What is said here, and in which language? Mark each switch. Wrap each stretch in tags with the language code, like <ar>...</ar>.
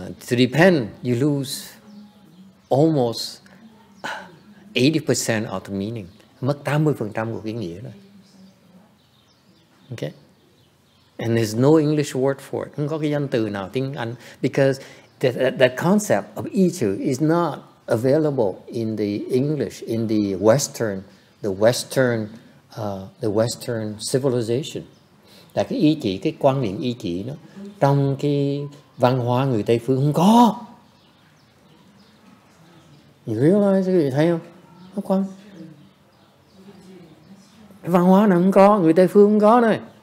<en>To depend, you lose almost 80% of the meaning.</en> <vi>Mất 80% của cái nghĩa đó. Okay?</vi> <en>And there's no English word for it.</en> <vi>Không có cái danh từ nào tiếng Anh.</vi> <en>Because that concept of ichu is not available in the English, in the Western civilization.</en> <vi>Là cái ý chỉ, cái quan niệm ý chỉ nó trong cái văn hóa người Tây Phương không có.</vi> <en>You realize</en> <vi>cái gì, thấy không? Không. Văn hóa này không có, người Tây Phương không có này.</vi>